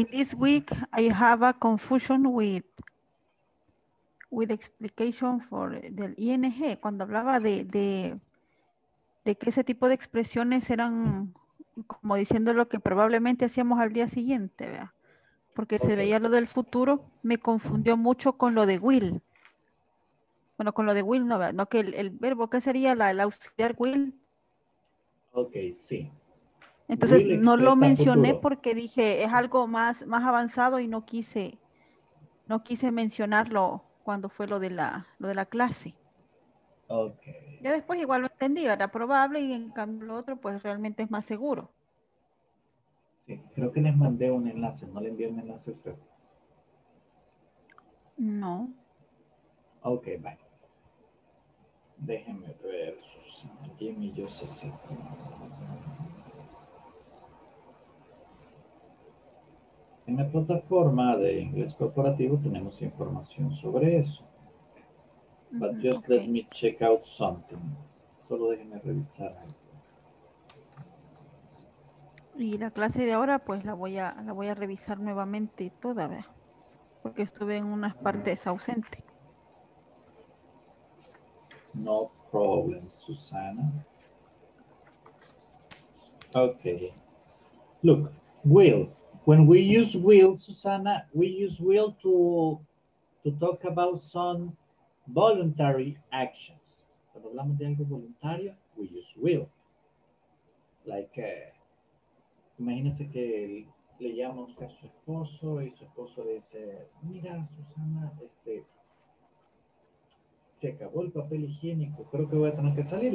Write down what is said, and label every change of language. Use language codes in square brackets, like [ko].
[en] In this week, I have a confusion with explication for the ING. [es] Cuando hablaba de que ese tipo de expresiones eran como diciendo lo que probablemente hacíamos al día siguiente, ¿verdad? Porque okay. Se veía lo del futuro, me confundió mucho con lo de will. Bueno, con lo de will, no que el verbo, ¿qué sería el auxiliar will? Ok, sí. Entonces, will no lo mencioné futuro. Porque dije, es algo más avanzado y no quise mencionarlo cuando fue lo de la clase. Ok. Ya después igual lo entendí, era probable y en cambio lo otro, pues realmente es más seguro. Creo que les mandé un enlace, ¿no le envié un enlace a usted? No. Ok, bye. Déjenme ver, Susana. Jimmy, yo sé si... En la plataforma de inglés corporativo tenemos información sobre eso. [en] But just okay. Let me check out something. [es] Solo déjenme revisar algo. Y la clase de ahora, pues la voy a revisar nuevamente toda, ¿verdad? Porque estuve en unas partes ausente. [en] No problem, Susana. Okay. Look, will. When we use will, Susana, we use will to talk about some voluntary actions. [es] Cuando hablamos de algo voluntario, [en] we use will. [es] Like imagínese que le llama usted a su esposo y su esposo le dice, mira, Susana, se acabó el papel higiénico, creo que voy a tener que salir.